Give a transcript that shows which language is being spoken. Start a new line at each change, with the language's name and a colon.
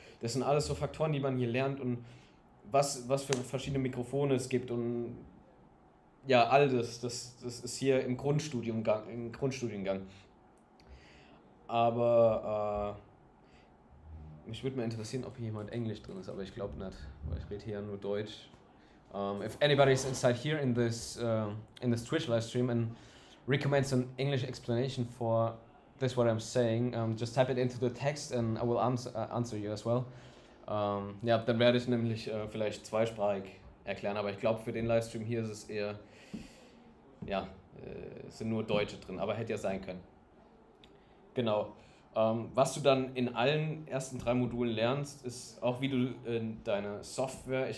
German: Das sind alles so Faktoren, die man hier lernt und was für verschiedene Mikrofone es gibt und ja, all das, das ist hier im Grundstudiengang, im Grundstudiengang. Aber mich würde mal interessieren, ob hier jemand Englisch drin ist, aber ich glaube nicht, weil ich rede hier ja nur Deutsch.
English: If anybody is inside here in this Twitch Livestream and recommends an English explanation for this, what I'm saying, just type it into the text and I will answer you as well.
German: Ja, dann werde ich nämlich vielleicht zweisprachig erklären, aber ich glaube, für den Livestream hier ist es eher, ja, sind nur Deutsche drin, aber hätte ja sein können. Genau. Was du dann in allen ersten drei Modulen lernst, ist auch wie du deine Software.